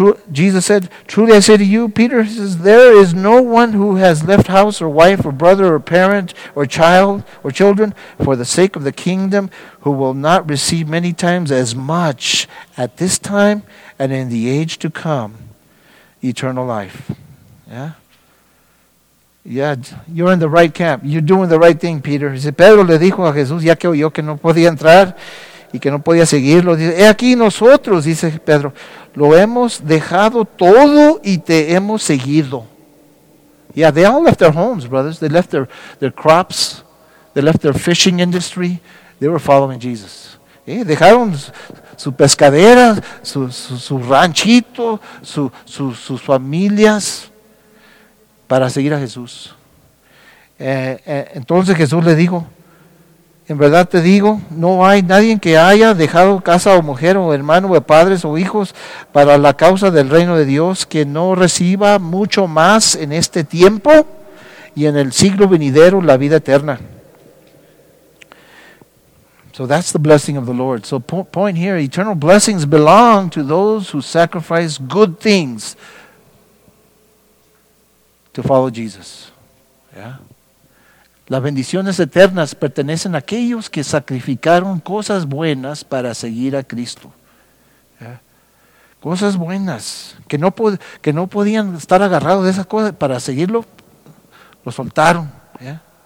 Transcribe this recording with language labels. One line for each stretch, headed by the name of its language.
English: Jesus said, "Truly I say to you," Peter says, "there is no one who has left house or wife or brother or parent or child or children for the sake of the kingdom who will not receive many times as much at this time and in the age to come eternal life." Yeah? Yeah, you're in the right camp. You're doing the right thing, Peter. He said,
Spanish: Pedro le dijo a Jesús, ya que oyó que no podía entrar y que no podía seguirlo. Dice, he aquí nosotros, dice Pedro, lo hemos dejado todo y te hemos seguido.
English: Yeah, they all left their homes, brothers. They left their crops. They left their fishing industry. They were following Jesus.
Spanish: Dejaron su pescadera, su ranchito, sus familias, para seguir a Jesús. Entonces Jesús le dijo, en verdad te digo, no hay nadie que haya dejado casa o mujer o hermano o padres o hijos para la causa del reino de Dios que no reciba mucho más en este tiempo y en el siglo venidero la vida eterna.
English: So that's the blessing of the Lord. So point here, eternal blessings belong to those who sacrifice good things to follow Jesus. Yeah.
Spanish: Las bendiciones eternas pertenecen a aquellos que sacrificaron cosas buenas para seguir a Cristo. Yeah. Cosas buenas. Que no podían estar agarrados de esas cosas para seguirlo. Lo soltaron. Yeah.